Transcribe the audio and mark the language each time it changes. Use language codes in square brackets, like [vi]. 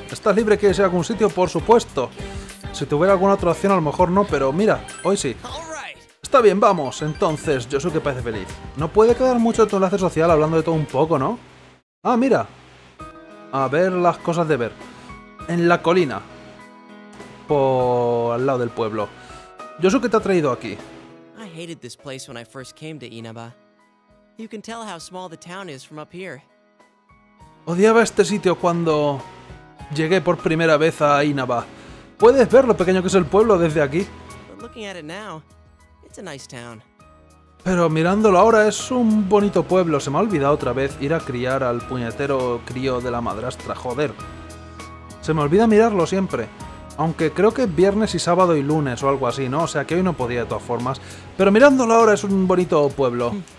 [es] ¿Estás libre que sea algún sitio? Por supuesto. Si tuviera alguna otra opción, a lo mejor no, pero mira, hoy sí. Está bien, vamos. Entonces, Yosuke parece feliz. No puede quedar mucho tu enlace social hablando de todo un poco, ¿no? Ah, mira. A ver las cosas de ver. En la colina. Por al lado del pueblo. Yosuke te ha traído aquí. [en] I hated this place when I first came to Inaba. You can tell how small the town is from up here. [es] Odiaba este sitio cuando llegué por primera vez a Inaba. Puedes ver lo pequeño que es el pueblo desde aquí. [en] But looking at it now, it's a nice town. [es] Pero mirándolo ahora, es un bonito pueblo. Se me ha olvidado otra vez ir a criar al puñetero crío de la madrastra, joder. Se me olvida mirarlo siempre. Aunque creo que es viernes y sábado y lunes o algo así, ¿no? O sea que hoy no podía de todas formas. Pero mirándolo ahora, es un bonito pueblo.